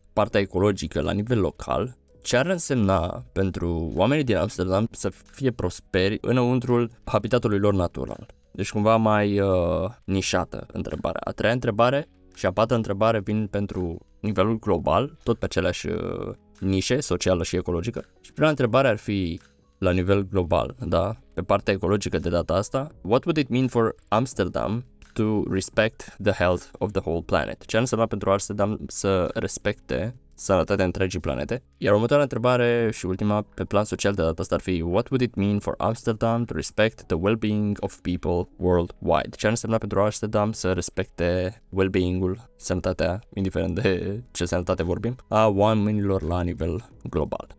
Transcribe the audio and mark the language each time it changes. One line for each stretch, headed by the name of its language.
Romanian: partea ecologică la nivel local, ce ar însemna pentru oamenii din Amsterdam să fie prosperi înăuntrul habitatului lor natural. Deci cumva mai nișată întrebarea. A treia întrebare și a patra întrebare vin pentru nivelul global, tot pe aceleași nișe socială și ecologică. Și prima întrebare ar fi la nivel global, da? Pe partea ecologică de data asta.
English: What would it mean for Amsterdam to respect the health of the whole planet?
Romanian: Ce ar însemna pentru Amsterdam să respecte sănătatea întregii planete? Iar următoarea întrebare și ultima pe plan social de data asta ar fi
English: What would it mean for Amsterdam to respect the well-being of people worldwide?
Romanian: Ce ar însemna pentru Amsterdam să respecte well-being-ul, sănătatea, indiferent de ce sănătate vorbim, a oamenilor la nivel global?